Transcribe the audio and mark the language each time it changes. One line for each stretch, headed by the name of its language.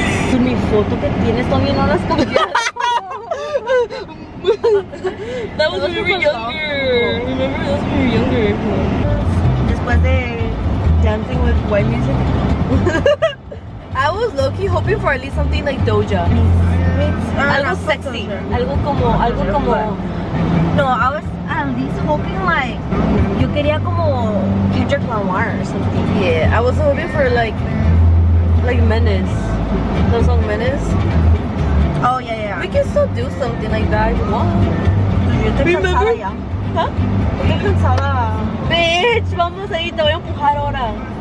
Spanish: Con mi foto que tienes todavía no las cambié.
English: That was when we were younger. Remember, that was when we were younger.
Spanish: Después de
English: dancing with white music. I was low-key hoping for at least something like Doja.
Spanish: Algo sexy. Algo como.
English: No, I was at least hoping like,
Spanish: yo quería como
English: Kendrick Lamar or something. Yeah, I was hoping for like Menace. The song Menace. Oh yeah. We can still do something like that if you want. Remember? Huh?
Spanish: Bitch, vamos ahí, te voy a empujar ahora.